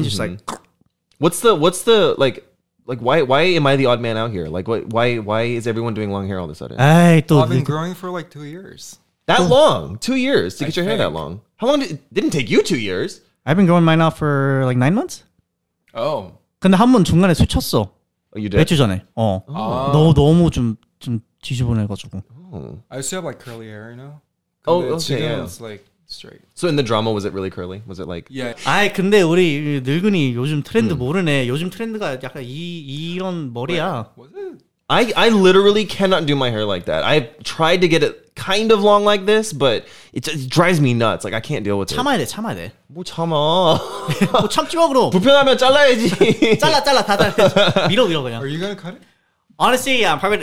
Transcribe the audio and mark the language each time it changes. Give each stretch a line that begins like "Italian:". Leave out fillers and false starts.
English: Mine's just like, what's the like why am I the odd man out here? Like why is everyone doing long hair all of a sudden? I've been growing for like 2 years. That long? 2 years to get your hair that long? How long didn't take you 2 years? I've been growing mine out for like 9 months. Oh,
Korean: 근데 한번 중간에 스쳤어.
English: You did?
Korean: 몇 주 전에. 너무 좀 지저분해가지고.
English: I still have like curly hair, you know? It's like straight. So in the drama, was it really curly? Was it like? Yeah.
Korean: 아이 근데 우리 늙은이 요즘 트렌드 모르네. 요즘 트렌드가 약간 이런 머리야.
English: I literally cannot do my hair like that. I've tried to get it kind of long like this, but it just drives me nuts. Like, I can't deal with
Korean: 참아야
English: it.
Korean: 참아야 돼, 참아야 돼. 뭐 참아. 뭐 참지 마, 그럼. 불편하면 잘라야지. 잘라. 다 밀어 그냥.
English: Are you gonna cut it? Honestly, yeah.